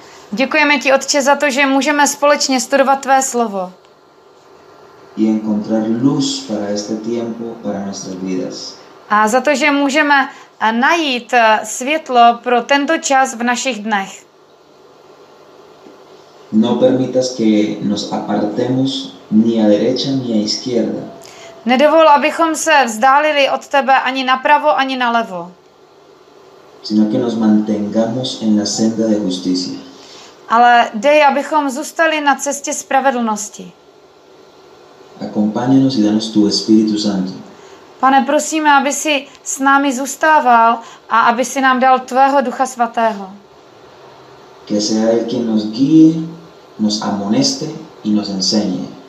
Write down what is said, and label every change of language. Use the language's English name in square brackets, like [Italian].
[Czech] Děkujeme ti, Otče, za to, že můžeme společně studovat tvé slovo. [Spanish] Y encontrar luz para este tiempo, para nuestras vidas. [Czech] A za to, že můžeme najít světlo pro tento čas v našich dnech. [Spanish] No permitas que nos apartemos ni a derecha ni a izquierda. [Czech] Nedovol, abychom se vzdálili od tebe ani napravo, ani nalevo. [Spanish] Sino que nos mantengamos en la senda de justicia. [Czech] Ale dej, abychom zůstali na cestě spravedlnosti. [Spanish] Acompáñanos y danos tu Espíritu Santo. [Czech] Pane, prosíme, aby si s námi zůstával a aby si nám dal tvého Ducha Svatého. [Spanish] Que sea el quien nos guíe, nos amoneste y nos enseñe.